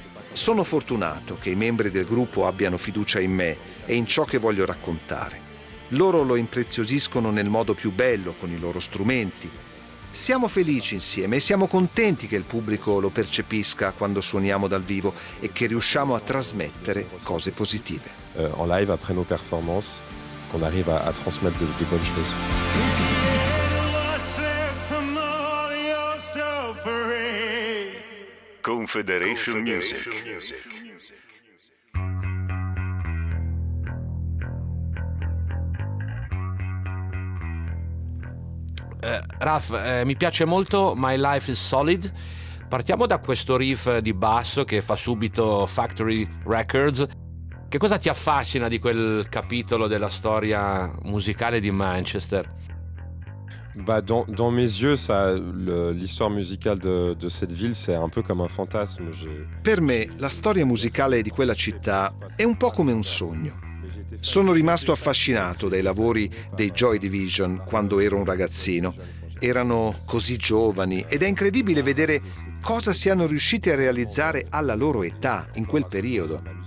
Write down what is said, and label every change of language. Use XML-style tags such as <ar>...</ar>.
<it>Sono fortunato che i membri del gruppo abbiano fiducia in me e in ciò che voglio raccontare. Loro lo impreziosiscono nel modo più bello, con i loro strumenti. Siamo felici insieme e siamo contenti che il pubblico lo percepisca quando suoniamo dal vivo e che riusciamo a trasmettere cose positive.</it> <fr>En live, après nos performances, qu'on arrive à transmettre de bonnes choses.</fr> <en>Confederation Music.</en> <it>Raf, mi piace molto My Life is Solid. Partiamo da questo riff di basso che fa subito Factory Records. Che cosa ti affascina di quel capitolo della storia musicale di Manchester?</it> <fr>Bah, dans mes yeux, ça, l'histoire musicale de cette ville, c'est un peu comme un fantasme.</fr> <it>Per me, la storia musicale di quella città è un po' come un sogno. Sono rimasto affascinato dai lavori dei Joy Division quando ero un ragazzino. Erano così giovani ed è incredibile vedere cosa siano riusciti a realizzare alla loro età in quel periodo.</it>